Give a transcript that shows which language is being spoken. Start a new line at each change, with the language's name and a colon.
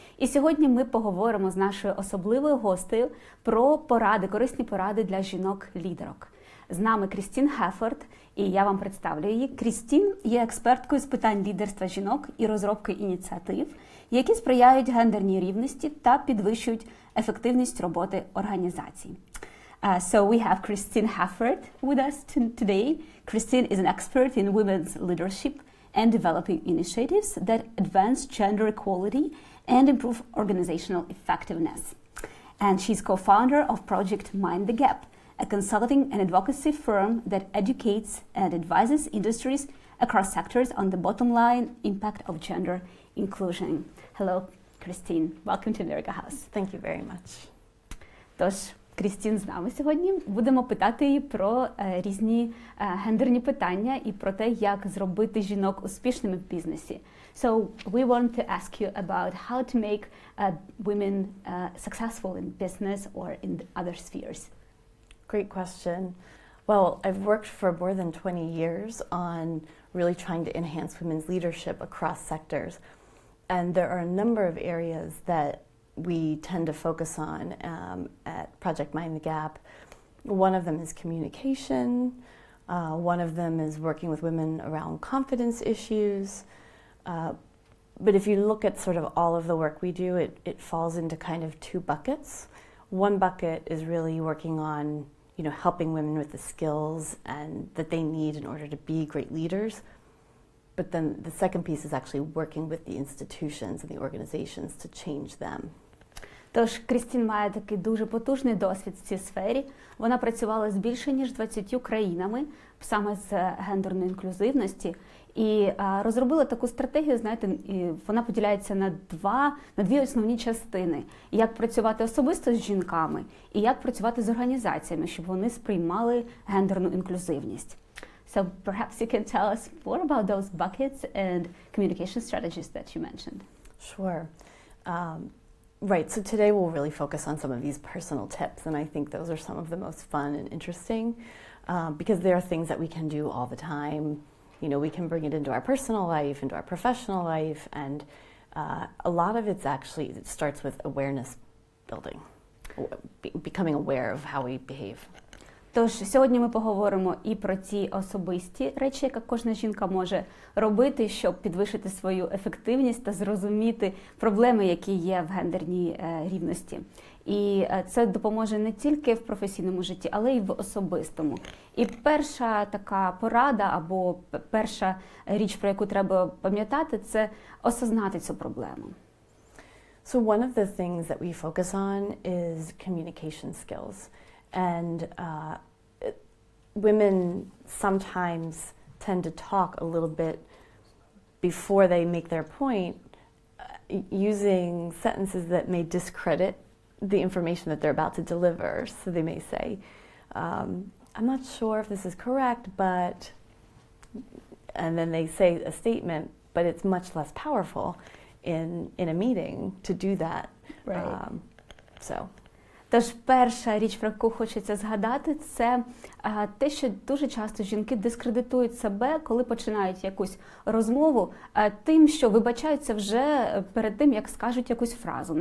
Ukrainian: І сьогодні ми поговоримо з нашою особливою гостею про поради, корисні поради для жінок-лідерок. З нами Крістін Хеффорд, і я вам представлю її. Крістін є експерткою з питань лідерства жінок і розробки ініціатив, які сприяють гендерній рівності та підвищують ефективність роботи організації.
English: So we have Kristin Haffert with us today. Kristin is an expert in women's leadership and developing initiatives that advance gender equality and improve organizational effectiveness. And she's co-founder of Project Mind the Gap, a consulting and advocacy firm that educates and advises industries across sectors on the bottom line impact of gender inclusion. Hello, Kristin. Welcome to America House. Thank you very much.
Ukrainian: Тож, Крістін з нами сьогодні. Будемо питати її про різні гендерні питання і про те, як зробити жінок успішними в бізнесі.
English: So, we want to ask you about how to make women successful in business or in other spheres. Great question. Well, I've worked for more than 20 years on really trying to enhance women's leadership across sectors. And there are a number of areas that we tend to focus on at Project Mind the Gap. One of them is communication. One of them is working with women around confidence issues. But if you look at sort of all of the work we do, it falls into kind of two buckets. One bucket is really working on, you know, helping women with the skills and that they need in order to be great leaders. But then the second piece is actually working with the institutions and the organizations to change them.
Ukrainian: Тож Крістін має такий дуже потужний досвід в цій сфері. Вона працювала з більше ніж 20 країнами саме з гендерної інклюзивності і розробила таку стратегію, знаєте, і вона поділяється на дві основні частини: як працювати особисто з жінками і як працювати з організаціями, щоб вони сприймали гендерну інклюзивність.
English: So perhaps you can tell us more about those buckets and communication strategies that you mentioned. Sure. Right, so today we'll really focus on some of these personal tips, and I think those are some of the most fun and interesting because there are things that we can do all the time. You know, we can bring it into our personal life, into our professional life, and a lot of it's actually, it starts with awareness building, becoming aware of how we behave.
Ukrainian: Тож, сьогодні ми поговоримо і про ті особисті речі, які кожна жінка може робити, щоб підвищити свою ефективність та зрозуміти проблеми, які є в гендерній рівності. І це допоможе не тільки в професійному житті, але й в особистому. І перша така порада або перша річ, про яку треба пам'ятати, це осознати цю проблему.
English: So one of the things that we focus on is communication skills. And women sometimes tend to talk a little bit before they make their point, using sentences that may discredit the information that they're about to deliver. So they may say, I'm not sure if this is correct, but, and then they say a statement, but it's much less powerful in a meeting to do that. Right.
Ukrainian: Тож перша річ, про яку хочеться згадати, це те, що дуже часто жінки дискредитують себе, коли починають якусь розмову, тим, що вибачаються вже перед тим, як скажуть якусь фразу.